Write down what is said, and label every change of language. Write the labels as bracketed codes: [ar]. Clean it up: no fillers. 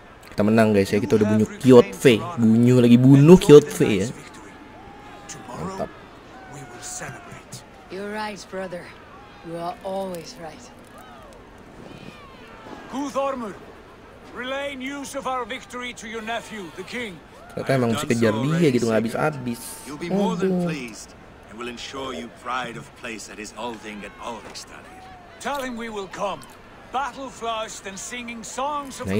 [id] Kita menang, guys ya. Kita udah bunuh Kjotve. Bunuh lagi, bunuh Kjotve ya. Mantap. [en] We will celebrate. You're right, brother. You are always right. Guthormr, relay news of our victory to your nephew, the king. [id] Kita emang mesti kejar dia gitu, nggak habis-habis. [en] You'll be more than pleased. And will ensure you pride of place at his holding at Ulriksdalir. Tell him we will come, battle flushed and singing songs of glory.